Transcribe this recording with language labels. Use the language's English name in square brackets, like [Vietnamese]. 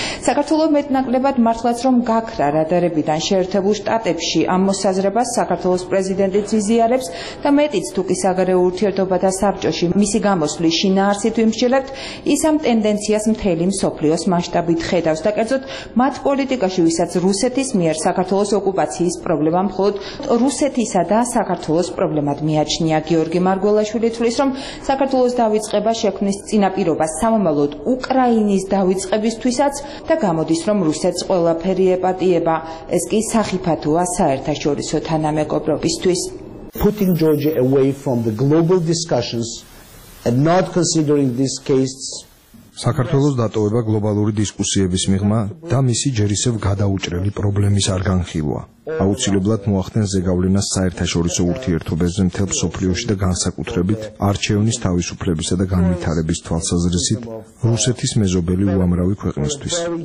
[Georgian] საქართველო მეტნაკლებად მართლაც რომ გაქრა რადარებიდან შეერთებულ შტატებში, ამ მოსაზრებას საქართველოს პრეზიდენტიც იზიარებს და მეტიც, თუ კი საგარეო ურთიერთობათა საბჭოში მისი გამოსვლის შინაარსით ვიმსჯელებთ, ის ამ ტენდენციას მთელი მსოფლიოს მასშტაბით ხედავს და კერძოდ მათ პოლიტიკაში, ვისაც რუსეთის მიერ საქართველოს ოკუპაციის პრობლემა მხოლოდ რუსეთისა და საქართველოს პრობლემად მიაჩნია. გიორგი მარგველაშვილი თვლის, რომ საქართველოს დავიწყება შექმნის წინაპირობა სამომავლოდ უკრაინის დავიწყებისთვისაც და გამოდის, რომ რუსეთს ყველაფერი ეპატიება, ეს კი სახიფათოა საერთაშორისო თანამეგობრობისთვის. [English] Putting Georgia away from the global discussions and not considering this case. [Georgian] საქართველოს დატოვება გლობალური დისკუსიების მიღმა და მისი ჯერ ისევ გადაუჭრელი პრობლემის არ განხილვა აუცილებლად მოახდენს ზეგავლენას საერთაშორისო ურთიერთობებზე მთელ მსოფლიოში და განსაკუთრებით არჩევნის თავისუფლებისა და განვითარების თვალსაზრისით რუსეთის მეზობელი უამრავი ქვეყნისთვის.